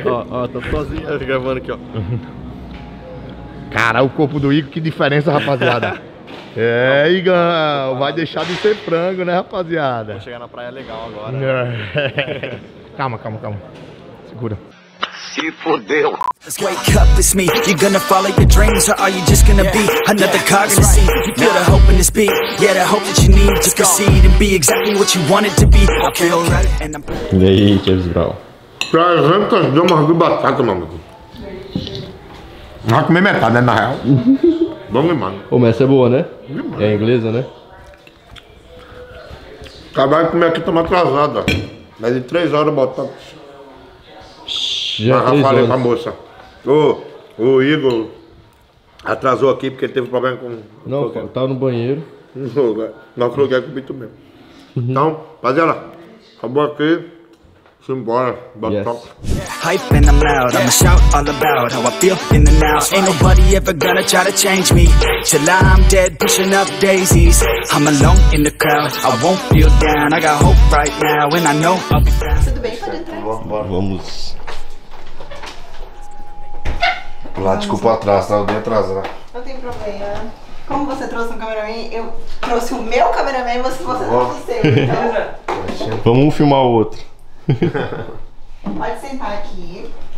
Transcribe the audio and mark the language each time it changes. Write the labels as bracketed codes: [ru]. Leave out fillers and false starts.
[pt] Ó, tá sozinha gravando aqui, ó. Cara, o corpo do Igor, que diferença, rapaziada. É, Igão, vai deixar de ser frango, né, rapaziada? Vou chegar na praia legal agora. Calma. Segura. Se fudeu. [en] Wake up, it's me. You gonna follow your dreams, or are you just gonna be another cog in the scene? You feel the hope in this beat, yeah, the hope that you need to proceed and be exactly what you wanted to be. I feel right, and I'm... [pt] E aí, que eles bravam? Pra gente, umas duas batatas, mano. Vai comer metade, né, na real? Bom demais. Ô, mas essa é boa, né? Demais. É inglesa, né? Acabar de comer aqui, tomar atrasada. Mais de 3 horas botar. Já mas já falei horas. Pra moça. O Igor atrasou aqui porque ele teve problema com... Não, eu tava no banheiro. Não, coloquei com o Bito mesmo. Então, rapaziada, acabou aqui. [en] Hype and I'm loud, I'ma shout all about how I feel in the now. Ain't nobody ever gonna try to change me. Till I'm dead, pushing up daisies. I'm alone in the crowd, I won't feel down. I got hope right now and I know I'll be proud. [pt] Tudo bem, pode entrar? Vamos. Lá, desculpa o atraso, tá? Eu dei atraso, né? Não tem problema. Como você trouxe um cameraman, eu trouxe o meu cameraman, mas você não trouxe o seu. Vamos um filmar o outro. Pode sentar aqui.